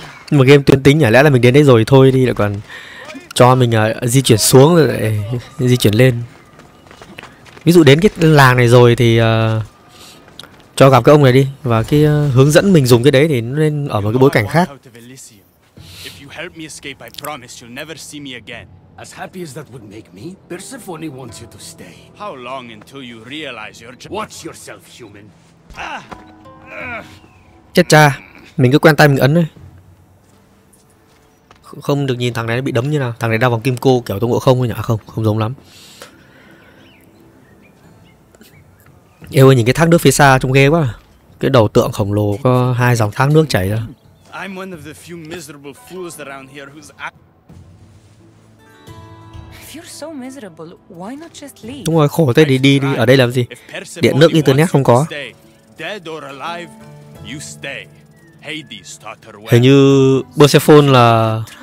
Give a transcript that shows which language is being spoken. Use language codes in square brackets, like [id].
[vi] Nhưng mà game tuyến tính nhỉ, lẽ là mình đến đấy rồi thôi đi, lại còn cho mình di chuyển xuống rồi lại di chuyển lên. Ví dụ đến cái làng này rồi thì cho gặp cái ông này đi, và cái hướng dẫn mình dùng cái đấy thì nó nên ở một cái bối cảnh khác. [en] If you help me escape, I promise you'll never see me again. As happy as that would make me, Persephone wants you to stay. How long until you realize you're just... Watch yourself, human. [vi] Chết cha, mình cứ quen tay mình ấn thôi. Không được nhìn thằng này nó bị đấm như nào. Thằng này đeo vòng kim cô kiểu Tôn Ngộ Không thôi nhỉ? Không giống lắm. Yêu ơi, nhìn cái thác nước phía xa trông ghê quá. Cái đầu tượng khổng lồ có hai dòng thác nước chảy ra. [en] I'm one of the few miserable fools around here who's If you're so miserable, why not just leave? [vi] Đúng rồi, khổ thế thì đi, ở đây làm gì? Điện nước internet không có. [en] Dead or alive, you stay. Hades taught her well. [vi] Hình như Persephone là